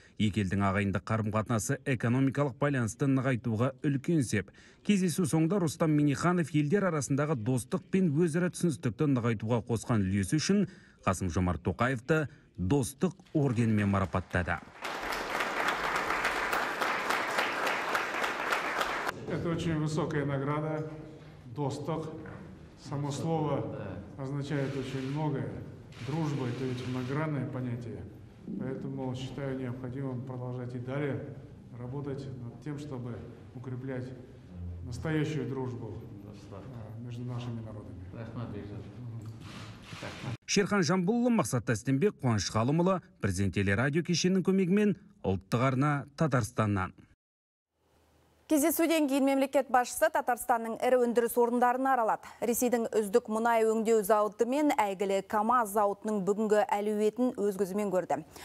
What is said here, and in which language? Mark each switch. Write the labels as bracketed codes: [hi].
[kk] Екі елдің ағайындық қарым-қатынасы экономикалық байланысты нығайтуға үлкен сеп. Кездесу соңында Рустам Миниханов елдер арасындағы достық пен өзара түсіністікті нығайтуға қосқан үлесі үшін Қасым Жомарт Тоқаевты достық орденімен марапаттады. [ru] Это очень высокая награда, досток, само слово означает очень многое, дружба – это ведь многогранное понятие, поэтому считаю необходимым продолжать и далее работать над тем, чтобы укреплять настоящую дружбу между нашими народами. [kk] Шерхан Жамбулы, Мақсат Тастембек, Қуаныш Қалымұлы, Президент Телерадио кешенінің көмегімен, ұлттық арна Татарстаннан. Кездесуден кейін мемлекет басшысы Татарстанның ірі өндіріс орындарын аралады. Ресейдің үздік мұнай өңдеу зауыты мен әйгілі КамАЗ зауытының бүгінгі әлеуетін өз көзімен көрді.